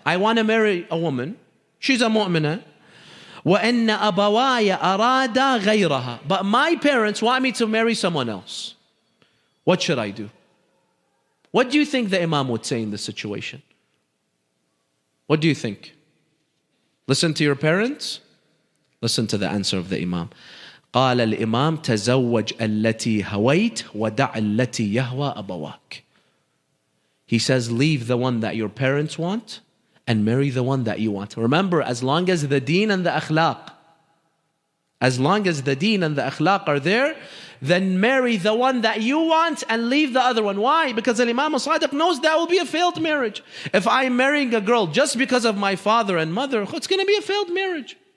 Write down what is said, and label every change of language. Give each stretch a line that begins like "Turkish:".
English: I want to marry a woman. She's a mu'mina.
Arabic: وَإِنَّ أَبَوَايَ أَرَادَ غَيْرَهَا.
English: But my parents want me to marry someone else. What should I do? What do you think the Imam would say in this situation? What do you think? Listen to your parents. Listen to the answer of the Imam.
Arabic: قال الإمام تزوج التي هويت ودع التي يهوى أبواك.
English: He says, leave the one that your parents want and marry the one that you want. Remember, as long as the deen and the akhlaq, as long as the deen and the akhlaq are there, then marry the one that you want and leave the other one. Why? Because Imam al-Sadiq knows that will be a failed marriage. If I'm marrying a girl just because of my father and mother, it's going to be a failed marriage.